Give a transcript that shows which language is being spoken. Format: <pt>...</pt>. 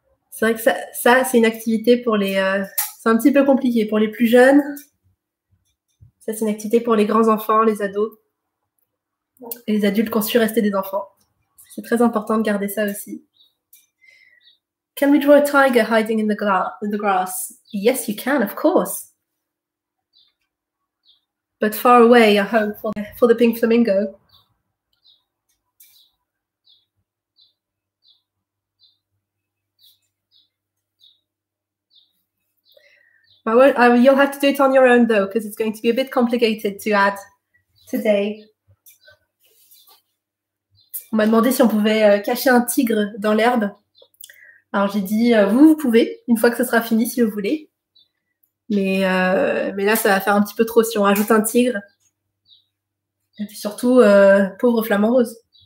<fr>C'est vrai que ça c'est une activité pour les... c'est un petit peu compliqué pour les plus jeunes. Ça, c'est une activité pour les grands-enfants, les ados. Et les adultes qui ont su rester des enfants. C'est très important de garder ça aussi.</fr> <en>Can we draw a tiger hiding in the grass? Yes, you can, of course. But far away, I hope, for the pink flamingo. You'll have to do it on your own, though, because it's going to be a bit complicated to add today.</en> <fr>On m'a demandé si on pouvait cacher un tigre dans l'herbe. Alors, j'ai dit, vous pouvez, une fois que ce sera fini, si vous voulez. Mais là, ça va faire un petit peu trop si on rajoute un tigre. Et puis surtout, pauvre flamant rose.</fr>